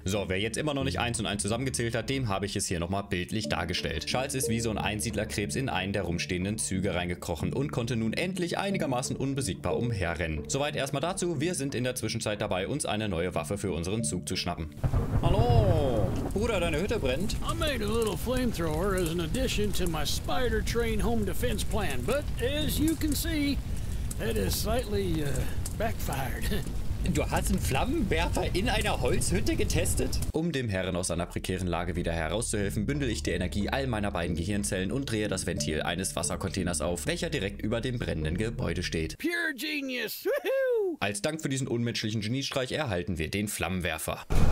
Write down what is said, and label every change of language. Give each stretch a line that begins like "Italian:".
German: So, wer jetzt immer noch nicht eins und eins zusammengezählt hat, dem habe ich es hier nochmal bildlich dargestellt. Charles ist wie so ein Einsiedlerkrebs in einen der rumstehenden Züge reingekrochen und konnte nun endlich einigermaßen unbesiegbar umherrennen. Soweit erstmal dazu, wir sind in der Zwischenzeit dabei, uns eine neue Waffe für unseren Zug zu schnappen. Hallo! Bruder, deine Hütte brennt.
English: I made a little flamethrower as an addition to my spider train home defense plan, but as you can see, it is slightly backfired.
German: Du hast einen Flammenwerfer in einer Holzhütte getestet? Um dem Herren aus seiner prekären Lage wieder herauszuhelfen, bündel ich die Energie all meiner beiden Gehirnzellen und drehe das Ventil eines Wassercontainers auf, welcher direkt über dem brennenden Gebäude steht.
English: Pure genius! Woohoo!
German: Als Dank für diesen unmenschlichen Geniestreich erhalten wir den Flammenwerfer.